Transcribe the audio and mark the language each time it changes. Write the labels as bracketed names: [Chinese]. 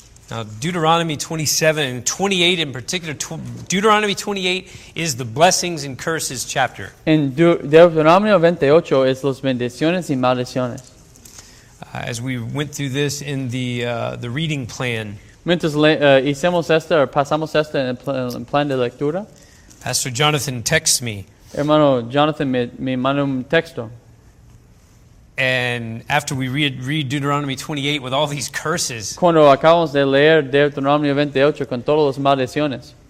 [English] Now, Deuteronomy 27 and 28 in particular, Deuteronomy 28 is the blessings and curses chapter. [Spanish] En Deuteronomy 28 es los bendiciones y maldiciones. [English] As we went through this in the reading plan. [Spanish] Mientras hicimos esto, pasamos esto en el plan de lectura. [English] Pastor Jonathan texts me. [Spanish] Hermano Jonathan me mandó un texto. [English] And after we read Deuteronomy 28 with all these curses. [Spanish] Cuando acabamos de leer Deuteronomy 28 con todas las maldiciones.